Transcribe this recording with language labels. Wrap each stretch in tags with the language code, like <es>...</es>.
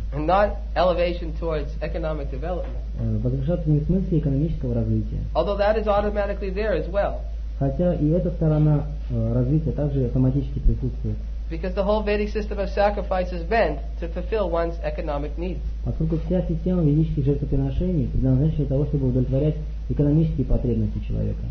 <en>And not elevation towards economic development.</en> <ru>Возвышаться не в смысле экономического развития.</ru> <en>Although that is automatically there as well.</en> <ru>Хотя и эта сторона развития также автоматически присутствует.</ru> <en>Because the whole Vedic system of sacrifice is meant to fulfill one's economic needs.</en> <ru>Поскольку вся система ведических жертвоприношений предназначена для того, чтобы удовлетворять экономические потребности человека.</ru>